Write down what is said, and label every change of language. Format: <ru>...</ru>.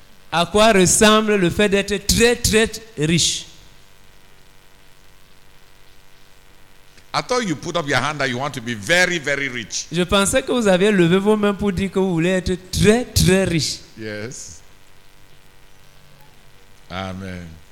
<fr>À quoi ressemble le fait d'être très, très riche?</fr> <en>I thought you put up your hand that you want to be very, very rich.</en> <fr>Je pensais que vous aviez levé vos mains pour dire que vous voulez être très, très riche.</fr> <en>Yes. Amen.</en>